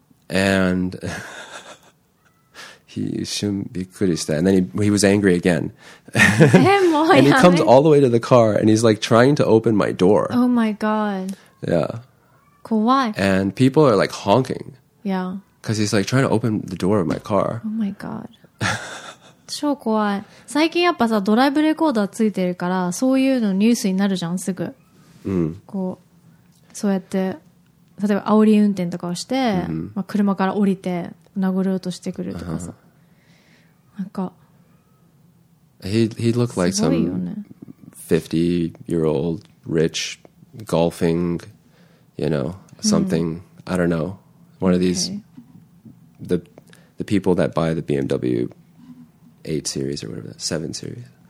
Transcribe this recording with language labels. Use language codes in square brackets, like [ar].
[en] And he was angry again. And he comes all the way to the car, and he's like trying to open my door. Oh my god! Yeah. Why? And people are like honking. Yeah. Because he's like trying to open the door of my car. Oh my god. [ja] 超怖い。最近やっぱさ、ドライブレコーダーついてるから、そういうのニュースになるじゃん、すぐ。うん、こう、そうやって、例えば煽り運転とかをして、うん、まあ、車から降りて、殴ろうとしてくるとかさ。なんか。 [en] He looked like some 50-year-old rich golfing, you know, something,、うん、I don't know. One of these,、okay. the people that buy the BMW. 8 series or whatever, 7 series.